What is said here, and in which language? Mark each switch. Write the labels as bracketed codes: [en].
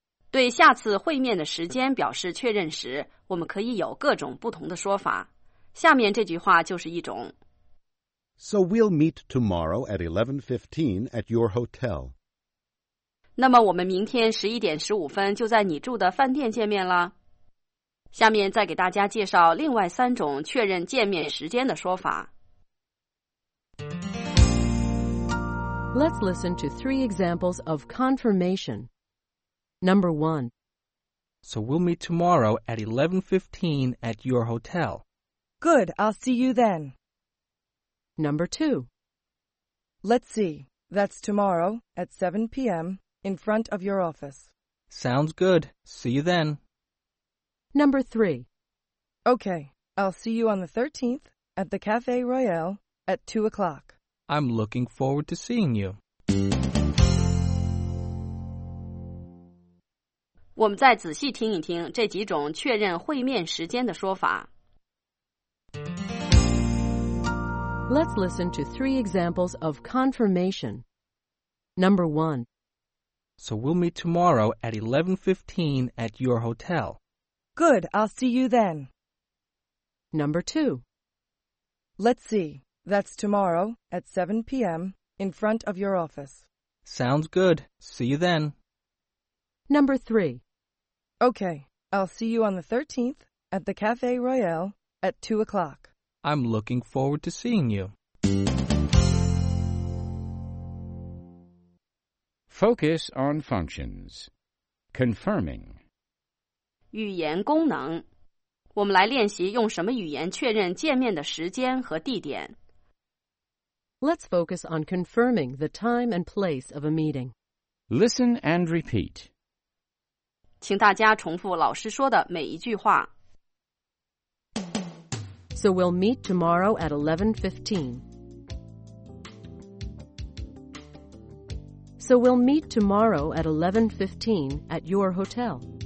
[zh] 对下次会面的时间表示确认时，我们可以有各种不同的说法。下面这句话就是一种。 [en] So we'll meet tomorrow at 11:15 at your hotel. [zh] 那么我们明天11:15就在你住的饭店见面了。下面再给大家介绍另外三种确认见面时间的说法。 [en] Let's listen to three examples of confirmation. Number one. So we'll meet tomorrow at 11:15 at your hotel. Good, I'll see you then. Number two. Let's see, that's tomorrow at 7 p.m. in front of your office. Sounds good, see you then. Number three. Okay, I'll see you on the 13th at the Cafe Royale at 2 o'clock. I'm looking forward to seeing you. [zh] 我们再仔细听一听这几种确认会面时间的说法。 [en] Let's listen to three examples of confirmation. Number one. So we'll meet tomorrow at 11:15 at your hotel. Good, I'll see you then. Number two. Let's see. That's tomorrow at 7 p.m. in front of your office. Sounds good. See you then. Number three. Okay, I'll see you on the 13th at the Cafe Royale at 2 o'clock. I'm looking forward to seeing you. Focus on functions. Confirming. [zh] 语言功能。我们来练习用什么语言确认见面的时间和地点。 [en] Let's focus on confirming the time and place of a meeting. Listen and repeat. [zh] 请大家重复老师说的每一句话。 [en] So we'll meet tomorrow at 11:15. So we'll meet tomorrow at 11:15 at your hotel.